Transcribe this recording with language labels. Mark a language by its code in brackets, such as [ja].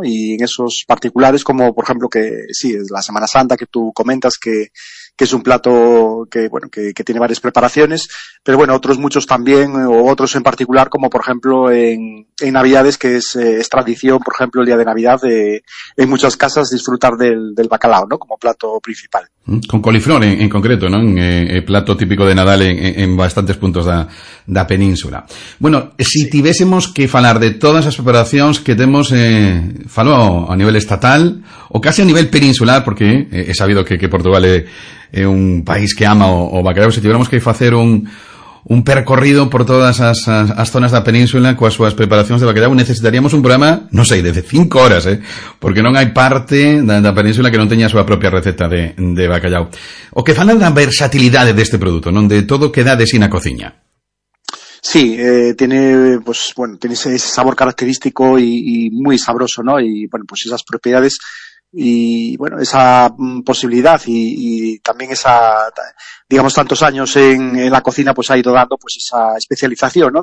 [es] Y en esos particulares como por ejemplo que sí, es la Semana Santa que tú comentas que es un plato que bueno, que tiene varias preparaciones, pero bueno, otros muchos también o otros en particular como por ejemplo en Navidades que es tradición, por ejemplo, el día de Navidad de en muchas casas disfrutar del bacalao, ¿no? Como plato principal. [gl] Con coliflor en concreto, ¿no? En plato típico de Nadal en bastantes puntos da península. Bueno, si tivésemos que falar de todas as preparacións que temos, falo a nivel estatal o casi a nivel peninsular, porque é sabido que Portugal é un país que ama o bacalao, se tivéramos que facer un percorrido por todas as zonas da península coas súas preparacións de bacalao, necesitaríamos un programa, non sei, de 5 horas, porque non hai parte da península que non teña a súa propia receta de bacalao. O que falan da versatilidade deste produto, non? De todo que dá de sí na cociña. [es] Sí, tiene, pues, bueno, tiene ese sabor característico y muy sabroso, ¿no? Y, bueno, pues esas propiedades y, bueno, esa posibilidad y también esa, digamos, tantos años en la cocina, pues ha ido dando, pues, esa especialización, ¿no?